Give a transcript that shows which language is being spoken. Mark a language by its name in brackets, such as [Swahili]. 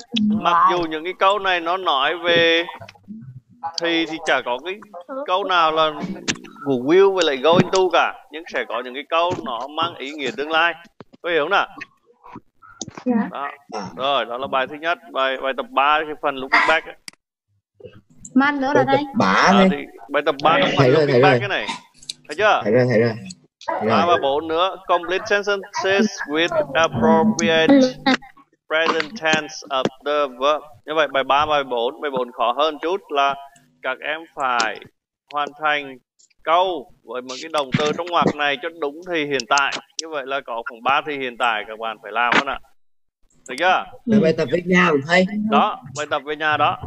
[Vietnamese] Mặc dù những cái câu này nó nói về thì chả có cái câu nào là của will với lại going to cả, nhưng sẽ có những cái câu nó mang ý nghĩa tương lai, có hiểu không nào? Dạ. Đó. Rồi đó là bài thứ nhất, bài tập 3 cái phần looking back ấy. Man nữa là đây. Bài tập 3 trong phần looking back cái này. Thấy chưa? Thấy rồi. 3 và 4 nữa. [English] Complete sentences with appropriate present tense of the verb. [Vietnamese] Như vậy bài 3 bài 4, bài 4 khó hơn chút là các em phải hoàn thành câu với một cái động từ trong ngoặc này cho đúng thì hiện tại. Như vậy là có khoảng 3 thì hiện tại các bạn phải làm hơn ạ. Được chưa? Bài tập về nhà thầy. Đó, bài tập về nhà đó.